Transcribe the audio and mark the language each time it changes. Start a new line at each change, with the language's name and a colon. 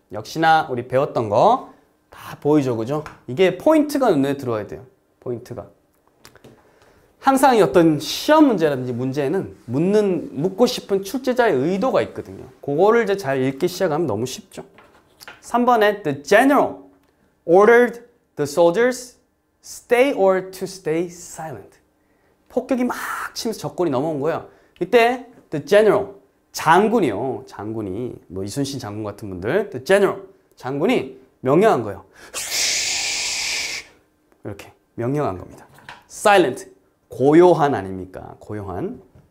Korean: 역시나 우리 배웠던 거. 다 보이죠, 그죠? 이게 포인트가 눈에 들어와야 돼요. 포인트가. 항상 어떤 시험 문제라든지 문제는 묻고 싶은 출제자의 의도가 있거든요. 그거를 이제 잘 읽기 시작하면 너무 쉽죠.
English: 3번에 The general ordered the soldiers stay or to stay silent.
Korean: 폭격이 막 치면서 적군이 넘어온 거예요.
English: 이때 The general, 장군이요.
Korean: 장군이, 뭐 이순신 장군 같은 분들.
English: The general,
Korean: 장군이 명령한 거예요. 이렇게 명령한 겁니다. Silent, 고요한 아닙니까? 고요한.